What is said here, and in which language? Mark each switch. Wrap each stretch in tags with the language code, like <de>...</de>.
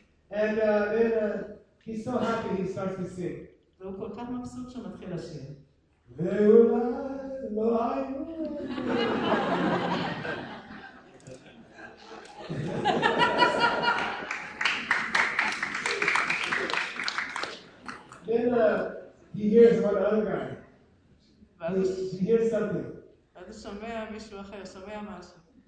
<en>And then he's so happy he starts to sing.</en> <he>והוא כל כך מבסוט שמתחיל לשיר. ואולי לא היינו.</he> <en>Then he hears one other guy. He hears something.</en> <he>ואז הוא שומע מישהו אחר, שומע משהו.</he>